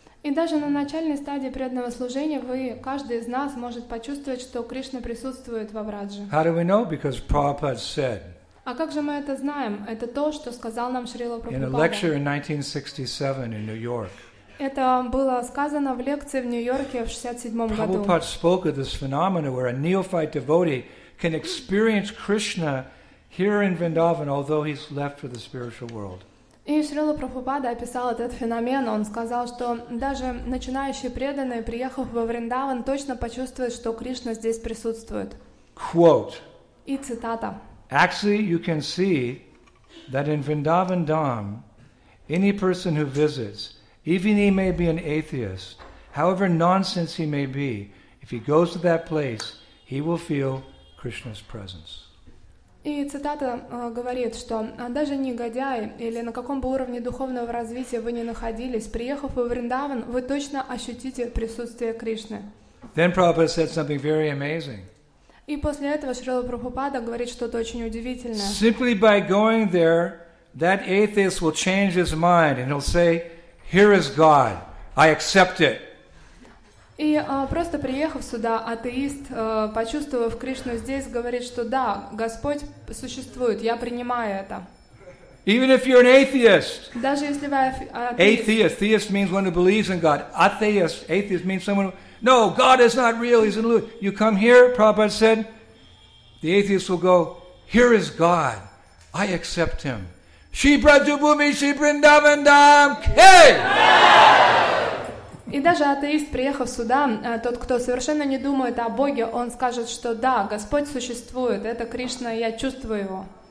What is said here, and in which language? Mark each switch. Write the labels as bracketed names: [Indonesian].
[Russian] И даже на начальной стадии преданного служения вы, каждый из нас, может почувствовать, что Кришна присутствует во Врадже. [English] How do we know? Because Prabhupada said. [Russian] А как же мы это знаем? Это то, что сказал нам Шрила Прабхупада. [English] In a lecture in 1967 in New York. [Russian] Это было сказано в лекции в Нью-Йорке в 67 году. [English] Prabhupada spoke of this phenomenon where a neophyte devotee can experience Krishna here in Vrindavan, although he's left for the spiritual world. [Russian] И Шрила Прабхупада описал этот феномен. Он сказал, что даже начинающий преданный, приехав во Вриндаван, точно почувствует, что Кришна здесь присутствует. [English] Quote. [Russian] И цитата. [English] Actually, you can see that in Vrindavan Dham, any person who visits, even he may be an atheist, however nonsense he may be, if he goes to that place, he will feel Krishna's presence. [Russian] И цитата говорит, что даже негодяй или на каком бы уровне духовного развития вы ни находились, приехав в Вриндаван, вы точно ощутите присутствие Кришны. [English] Then Prabhupada said something very amazing. [Russian] И после этого Шрила Прабхупада говорит что-то очень удивительное. [English] Simply by going there, that atheist will change his mind and he'll say, "Here is God. I accept it." [Russian] И просто приехав сюда, атеист, почувствовав Кришну здесь, говорит, что да, Господь существует, я принимаю это. [English] Even if you're an atheist. [Russian] Даже если вы атеист. [English] Atheist means one who believes in God. Atheist means someone who... No, God is not real, he's an illusion. You come here, Prabhupada said, the atheist will go, here is God, I accept him. Shri Brajabhumi, Shri Vrindavan Dham, hey! [Russian] И даже атеист, приехав сюда, тот, кто совершенно не думает о Боге, он скажет, что да, Господь существует, это Кришна, я чувствую его.